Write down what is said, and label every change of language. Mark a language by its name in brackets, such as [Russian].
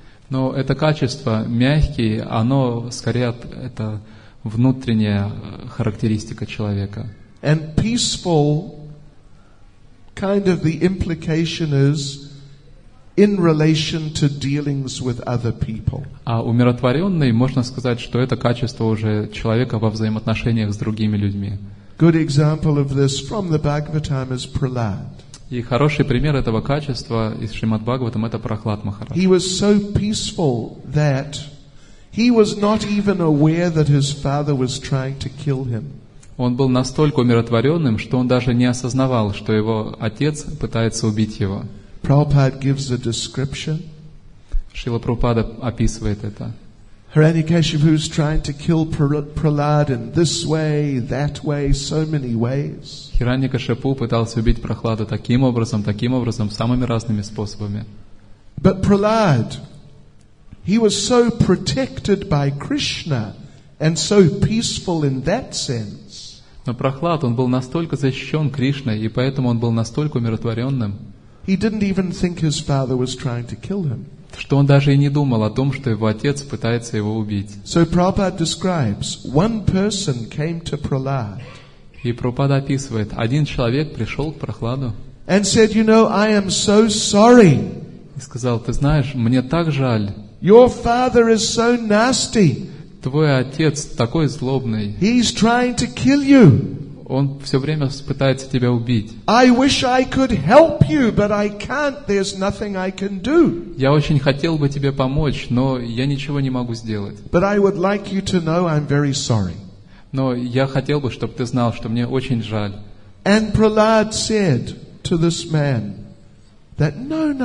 [Russian] Но это качество мягкий, оно скорее это внутренняя характеристика человека. [English] And peaceful, kind of the implication is in relation to dealings with other people. [Russian] А умиротворенный, можно сказать, что это качество уже человека во взаимоотношениях с другими людьми. [English] Good example of this from the Bhagavatam is Prahlad. [Russian] И хороший пример этого качества из Шримад Бхагаватам — это Прахлад Махарадж. [English] He was so peaceful that he was not even aware that his father was trying to kill him. [Russian] Он был настолько умиротворенным, что он даже не осознавал, что его отец пытается убить его. [English] Prabhupada gives a description. [Russian] Шрила Прабхупада описывает это. [English] Hiranyakashipu is trying to kill Prahlad in this way, that way, so many ways. [Russian] Hiranyakashipu пытался убить Прахлада таким образом, самыми разными способами. [English] But Prahlad, he was so protected by Krishna and so peaceful in that sense. [Russian] Но Прахлад, он был настолько защищен Кришной, и поэтому он был настолько умиротворенным. [English] He didn't even think his father was trying to kill him. [Russian] Что он даже и не думал о том, что его отец пытается его убить. [English] So Prabhupada describes, one person came to Prahlad. [Russian] И Прабхупада описывает, один человек пришел к Прахладу. [English] And said, you know, I am so sorry. [Russian] И сказал, ты знаешь, мне так жаль. [English] Your father is so nasty. [Russian] твой отец такой злобный. [English] He's trying to kill you. [Russian] Он все время пытается тебя убить. [English] I wish I could help you, but I can't. There's nothing I can do. [Russian] Я очень хотел бы тебе помочь, но я ничего не могу сделать. [English] But I would like you to know I'm very sorry. [Russian] Но я хотел бы, чтобы ты знал, что мне очень жаль. [English] And Prahlad said to this man that no.